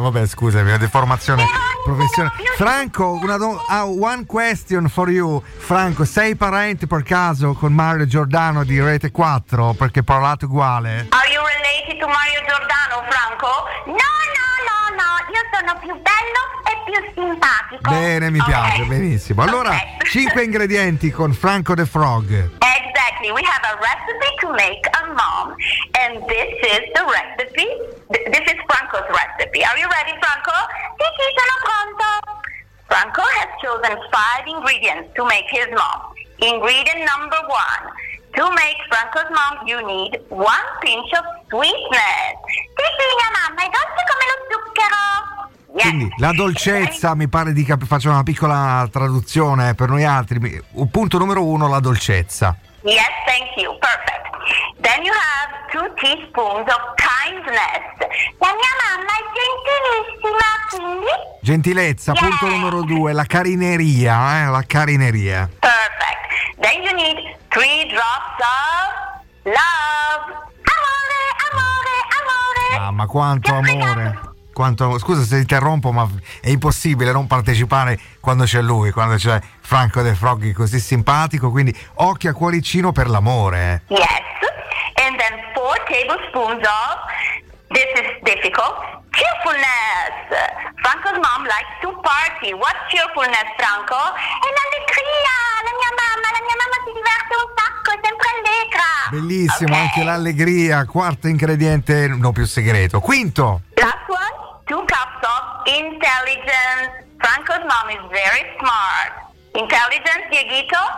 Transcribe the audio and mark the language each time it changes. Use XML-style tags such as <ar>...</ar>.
<it>Vabbè, scusami, è una deformazione professionale. Franco, una</it> <en>one question</en> <it>for you. Franco, sei parente per caso con Mario Giordano di Rete 4? Perché parlate uguale.</it> <en>Are you related to Mario Giordano, Franco?</en> <it>No, io sono più bello e più simpatico. Bene, mi piace, okay. Benissimo. Allora, okay. 5 ingredienti con Franco The Frog.</it> <en>We have a recipe to make a mom, and this is the recipe. This is Franco's recipe. Are you ready, Franco?</en> <it>Sì, sì, sono pronto.</it> <en>Franco has chosen 5 ingredients to make his mom. Ingredient number 1. To make Franco's mom, you need 1 pinch of sweetness.</en> <it>Sì, sì, mia mamma, è dolce come lo zucchero.</it> <en>Yes.</en> <it>Quindi la dolcezza, mi pare di capire, faccio una piccola traduzione per noi altri. Punto numero 1, la dolcezza.</it> <en>Yes, thank you. Perfect. Then you have 2 teaspoons of kindness.</en> <it>La mia mamma è gentilissima, quindi... Gentilezza,</it> <en>yes.</en> <it>Punto numero 2, la carineria, la carineria.</it> <en>Perfect. Then you need 3 drops of love.</en> <it>Amore, amore, amore. Mamma, quanto amore. Quanto, scusa se interrompo, ma è impossibile non partecipare quando c'è lui, quando c'è Franco De Frog così simpatico, quindi occhio a cuoricino per l'amore.</it> <en>Yes, and then 4 tablespoons of, this is difficult, cheerfulness. Franco's mom likes to party. What's cheerfulness, Franco?</en> <it>È l'allegria, la mia mamma si diverte un sacco, è sempre allegra. Bellissimo, okay. Anche l'allegria, quarto ingrediente, non più segreto. Quinto.</it> <en>Last one, 2 cups of intelligence. Franco's mom is very smart. Intelligence, Dieguito?</en>